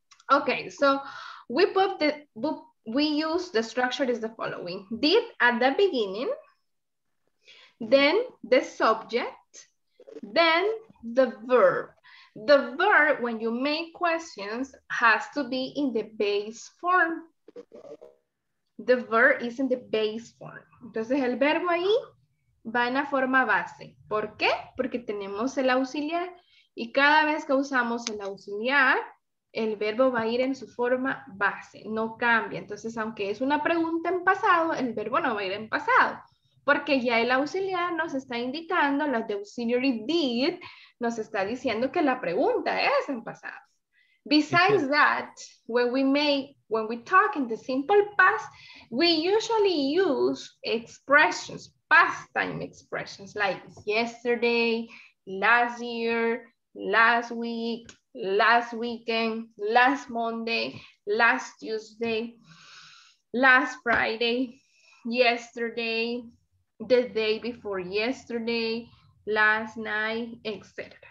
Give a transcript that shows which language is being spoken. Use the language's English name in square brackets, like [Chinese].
[English] Okay, so we put the book, we use the structure is the following: did at the beginning, then the subject, then the verb. The verb, when you make questions, has to be in the base form. The verb is in the base form. [Spanish] Entonces el verbo ahí va en la forma base. ¿Por qué? Porque tenemos el auxiliar y cada vez que usamos el auxiliar, el verbo va a ir en su forma base, no cambia. Entonces, aunque es una pregunta en pasado, el verbo no va a ir en pasado. Porque ya el auxiliar nos está indicando, la de auxiliary did, nos está diciendo que la pregunta es en pasado. [English] Besides that, when we talk in the simple past, we usually use expressions, past time expressions, like yesterday, last year, last week, last weekend, last Monday, last Tuesday, last Friday, yesterday, the day before yesterday, last night, etc.